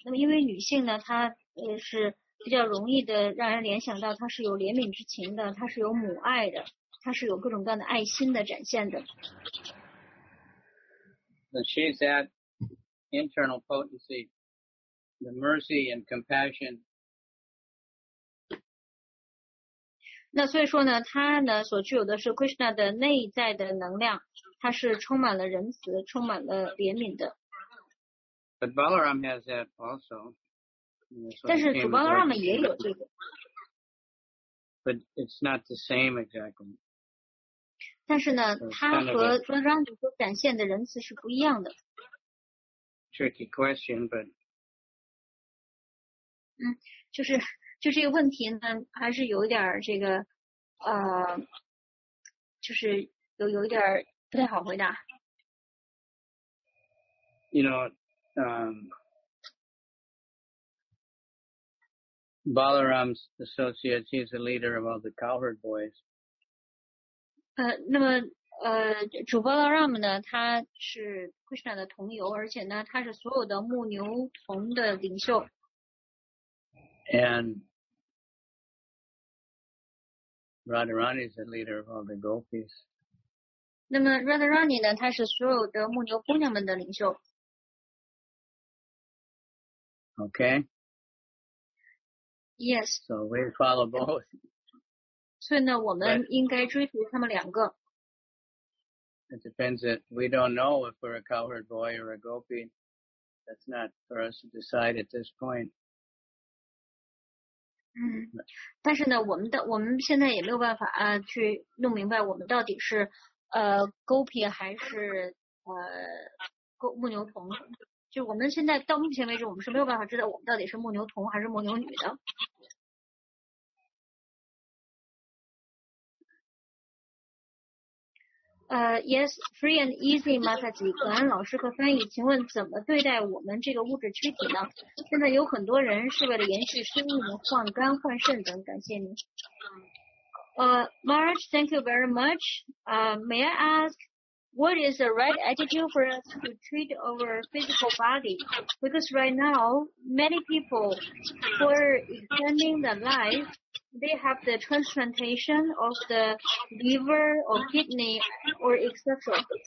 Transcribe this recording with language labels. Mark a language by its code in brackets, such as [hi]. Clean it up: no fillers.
[zh] 那么因为女性呢，她是比较容易的让人联想到她是有怜悯之情的，她是有母爱的。他是有各种各样的爱心的展现的。 [en] But she's that internal potency, the mercy and compassion. [zh] 那所以说呢，他呢所具有的是 Krishna 的内在的能量，他是充满了仁慈，充满了怜悯的。 [en] But Balaram has that also. [zh] 但是主 Balaram 也有这个。 [en] But it's not the same exactly. [zh] 但是呢，他和 Radharani 所展现的仁慈是不一样的。 [en] Tricky question, but [zh] 嗯，就这个问题呢，还是有点这个就是有点不太好回答。 [en] You know, Balaram's associates, he's the leader of all the cowherd boys. [zh] 那么主 Balaram 呢，他是 Krishna 的同游，而且呢他是所有的牧牛童的领袖。 [en] And Radharani is the leader of all the gopis. [zh] 那么 Radharani 呢，他是所有的牧牛姑娘们的领袖。 [en] Okay. Yes. So we follow both. [zh] 所以呢，我们应该追随他们两个。 [en] It depends that we don't know if we're a cowherd boy or a gopi. That's not for us to decide at this point. [zh] 嗯，但是呢，我们现在也没有办法啊，去弄明白我们到底是gopi 还是牧牛童。就我们现在到目前为止，我们是没有办法知道我们到底是牧牛童还是牧牛女的。 [en] Yes, free and easy, Mataji. [zh] 感恩老师和翻译，请问怎么对待我们这个物质躯体呢？现在有很多人是为了延续生命的换肝换肾等，感谢您。 [en] Marge, thank you very much. May I ask, what is the right attitude for us to treat our physical body? Because right now, many people who are extending their life,They have the transplantation of the liver or kidney or etc.